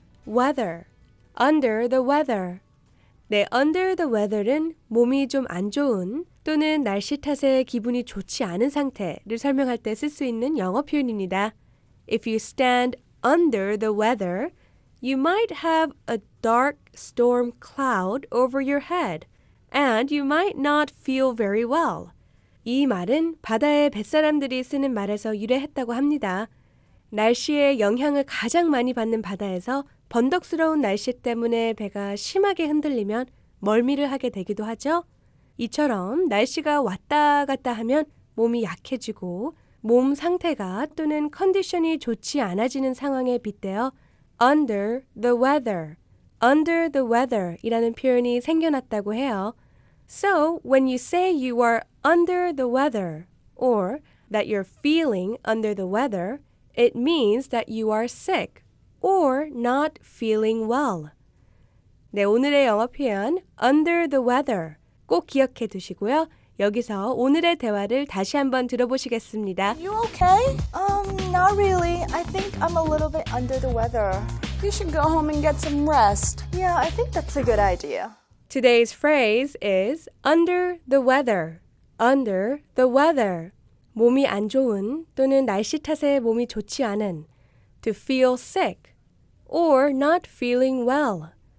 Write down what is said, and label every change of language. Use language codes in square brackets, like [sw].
[en] Weather, under the weather. [ko] 네, under the weather은 몸이 좀 안 좋은 또는 날씨 탓에 기분이 좋지 않은 상태를 설명할 때 쓸 수 있는 영어 표현입니다. [en] If you stand under the weather, you might have a dark storm cloud over your head, and you might not feel very well. [ko] 이 말은 바다의 뱃사람들이 쓰는 말에서 유래했다고 합니다. 날씨의 영향을 가장 많이 받는 바다에서 번덕스러운 날씨 때문에 배가 심하게 흔들리면 멀미를 하게 되기도 하죠. 이처럼 날씨가 왔다 갔다 하면 몸이 약해지고 몸 상태가 또는 컨디션이 좋지 않아지는 상황에 빗대어 under the weather, under the weather 이라는 표현이 생겨났다고 해요. [en] So when you say you are under the weather or that you're feeling under the weather, it means that you are sick. Or not feeling well. [ko] 네, 오늘의 영어 표현 under the weather 꼭 기억해 두시고요. 여기서 오늘의 대화를 다시 한번 들어보시겠습니다. [en] Are you okay? Not really. I think I'm a little bit under the weather. You should go home and get some rest. Yeah, I think that's a good idea. Today's phrase is under the weather. Under the weather. [ko] 몸이 안 좋은 또는 날씨 탓에 몸이 좋지 않은 [en] To feel sick or not feeling well.